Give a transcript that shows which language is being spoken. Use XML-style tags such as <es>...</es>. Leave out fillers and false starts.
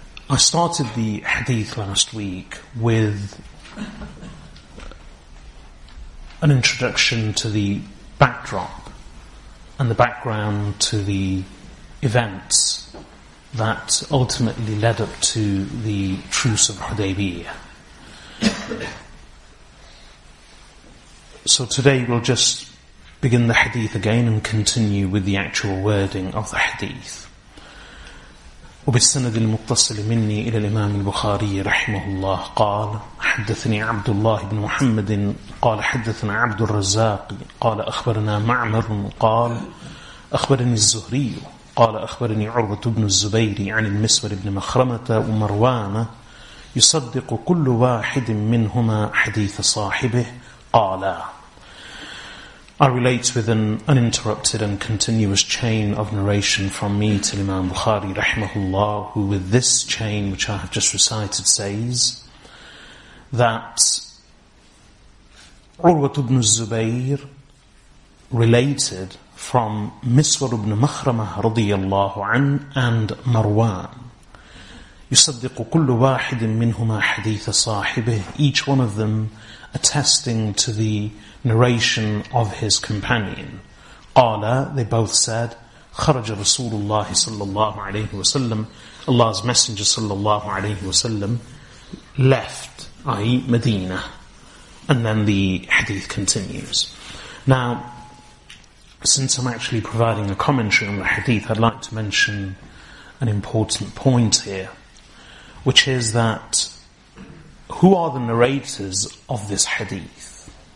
<en>I started the hadith last week with an introduction to the backdrop and the background to the events that ultimately led up to the truce of Hudaybiyah. So today we'll just begin the hadith again and continue with the actual wording of the hadith.</en> <ar>وبالسند المتصل مني إلى الإمام البخاري رحمه الله قال حدثني عبد الله بن محمد قال حدثنا عبد الرزاق قال أخبرنا معمر قال أخبرني الزهري قال أخبرني عروة بن الزبير عن المسور بن مخرمة ومروان يصدق كل واحد منهما حديث صاحبه قال.</ar> <en>I relate with an uninterrupted and continuous chain of narration from me to Imam Bukhari rahimahullah, who with this chain which I have just recited says that Urwat ibn Zubayr related from Miswar ibn Makhramah radiyallahu an and Marwan.</en> <ar>يُصَدِّقُ كُلُّ وَاحِدٍ مِّنْهُمَا حَدِيثَ صَاحِبِهِ,</ar> <en>each one of them attesting to the narration of his companion.</en> <ar>قَالَ,</ar> <en>they both said,</en> <ar>خَرَجَ رَسُولُ اللَّهِ صَلَّى اللَّهُ عَلَيْهِ وَسَلَّمُ,</ar> <en>Allah's Messenger</en> <ar>صَلَّى اللَّهُ عَلَيْهِ وَسَلَّمُ</ar> <en>left, i.e. Medina. And then the hadith continues. Now, since I'm actually providing a commentary on the hadith, I'd like to mention an important point here, which is that who are the narrators of this hadith?</en>